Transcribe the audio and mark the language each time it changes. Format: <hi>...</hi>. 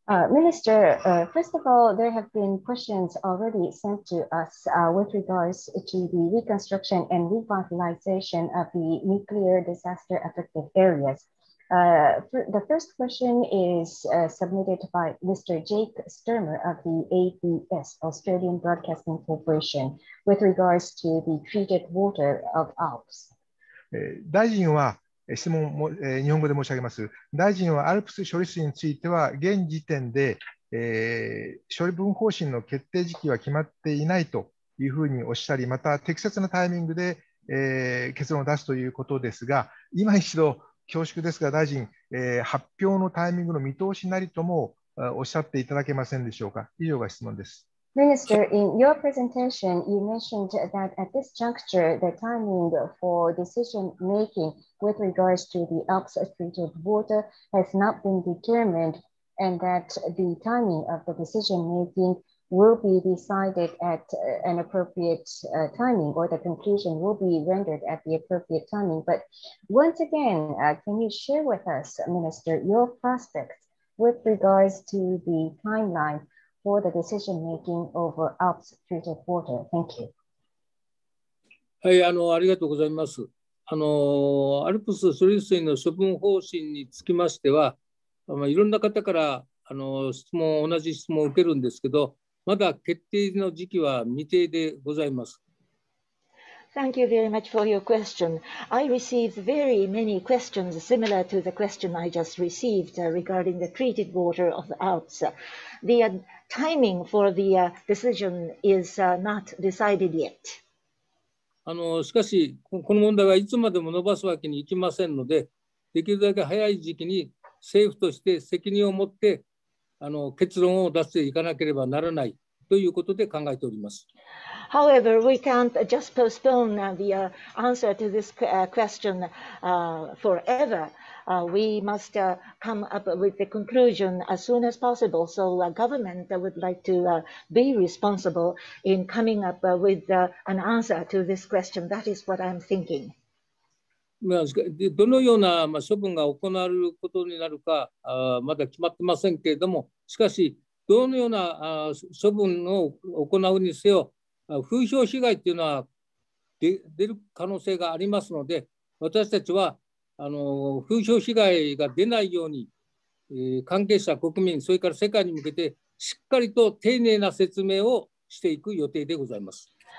<en>Minister, first of all, there have been questions already sent to us with regards to the reconstruction and revitalization of the nuclear disaster affected areas. The first question is submitted by Mr. Jake Sturmer of the ABS, Australian Broadcasting Corporation, with regards to the treated water of Alps.</en> <ja>大臣は質問も日本語で申し上げます。大臣はアルプス処理水については現時点で、処理分方針の決定時期は決まっていないというふうにおっしゃり、また適切なタイミングで、結論を出すということですが、今一度恐縮ですが大臣、発表のタイミングの見通しなりともおっしゃっていただけませんでしょうか。以上が質問です。</ja> <en>Minister, in your presentation, you mentioned that at this juncture, the timing for decision making with regards to the Alps treated water has not been determined, and that the timing of the decision making will be decided at an appropriate timing, or the conclusion will be rendered at the appropriate timing. But once again, can you share with us, Minister, your prospects with regards to the timeline? For the decision making over Alps treated water. Thank you.</en> <ja>はい、ありがとうございます。アルプス処理水の処分方針につきましては、いろんな方から質問、同じ質問を受けるんですけど、まだ決定の時期は未定でございます。</ja> <en>Thank you very much for your question. I received very many questions similar to the question I just received regarding the treated water of the Alps. The timing for the decision is not decided yet.</en> <ja>しかし、この問題はいつまでも延ばすわけにいきませんので、できるだけ早い時期に政府として責任を持って結論を出していかなければならないということで考えております。</ja> <en>However, we can't just postpone the answer to this question forever. We must come up with the conclusion as soon as possible. So the government would like to be responsible in coming up with an answer to this question. That is what I'm thinking.</en> <ja>どのような処分が行われることになるかまだ決まってませんけれども、しかしどのような処分を行うにせよ、風評被害というのは出る可能性がありますので、私たちは風評被害が出ないように、関係者、国民、それから世界に向けて、しっかりと丁寧な説明をしていく予定でございます。</ja>